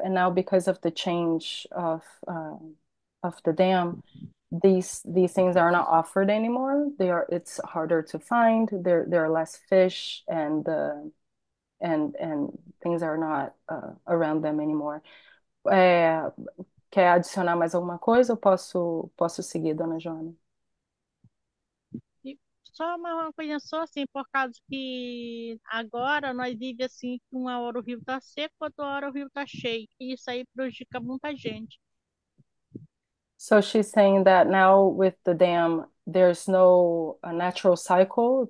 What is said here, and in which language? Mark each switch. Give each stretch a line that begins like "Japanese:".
English: And now, because of the change of the dam, these things are not offered anymore. It's harder to find. There are less fish and the and things are not around them anymore.
Portuguese: Quer adicionar mais alguma coisa ou posso seguir, Dona Joana? Só uma coisa, só assim, por causa que agora nós vivemos assim, que uma hora o rio está seco, outra hora o rio está cheio. E isso aí prejudica muita gente.
English: So she's saying that now with the dam, there's no a natural cycle.